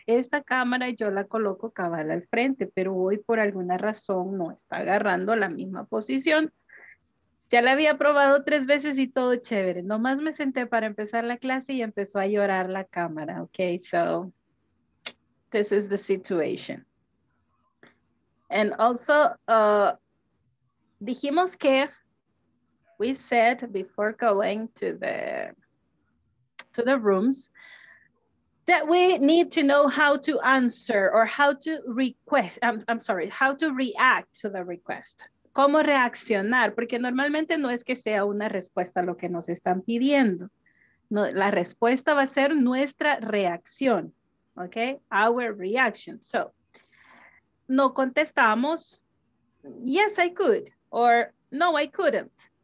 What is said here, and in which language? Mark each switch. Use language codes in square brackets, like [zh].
[es] Esta cámara yo la coloco cabal al frente, pero hoy por alguna razón no está agarrando la misma posición. Ya la había probado 3 veces y todo chévere. Nomás me senté para empezar la clase y empezó a llorar la cámara. [en] Ok, so this is the situation. And also, [es] dijimos que [en] we said before going to the rooms that we need to know how to answer or how to request. I'm sorry, how to react to the request. [es] ¿Cómo reaccionar? Porque normalmente no es que sea una respuesta lo que nos están pidiendo. No, la respuesta va a ser nuestra reacción, ¿ok? [en] Our reaction. So, [es] no contestamos, [en] yes, I could, or no, I couldn't.